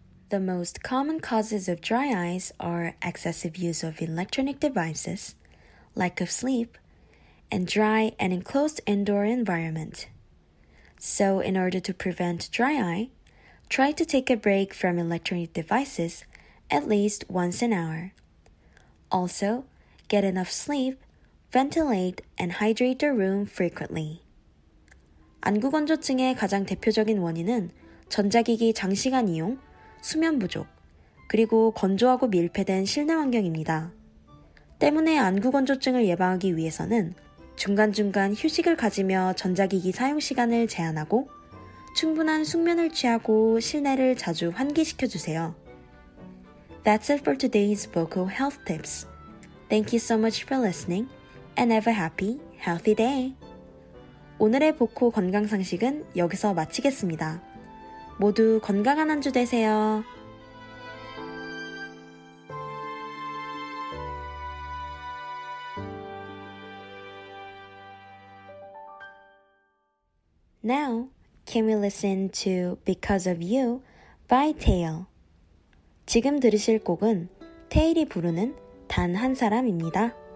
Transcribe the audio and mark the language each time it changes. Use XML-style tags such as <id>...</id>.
<en>The most common causes of dry eyes are excessive use of electronic devices, lack of sleep, and dry and enclosed indoor environment. So in order to prevent dry eye, try to take a break from electronic devices at least once an hour. Also, get enough sleep, ventilate, and hydrate your room frequently.</en> <ko>안구건조증의 가장 대표적인 원인은 전자기기 장시간 이용, 수면 부족, 그리고 건조하고 밀폐된 실내 환경입니다. 때문에 안구건조증을 예방하기 위해서는 중간중간 휴식을 가지며 전자기기 사용 시간을 제한하고 충분한 숙면을 취하고 실내를 자주 환기시켜주세요.</ko> <en>That's it for today's Boku Health Tips. Thank you so much for listening and have a happy, healthy day.</en> <ko>오늘의 보코 건강상식은 여기서 마치겠습니다. 모두 건강한 한 주 되세요.</ko> <en>Now, can we listen to Because of You by Tael?</en> <ko>지금 들으실 곡은 테일이 부르는 단 한 사람입니다.</ko>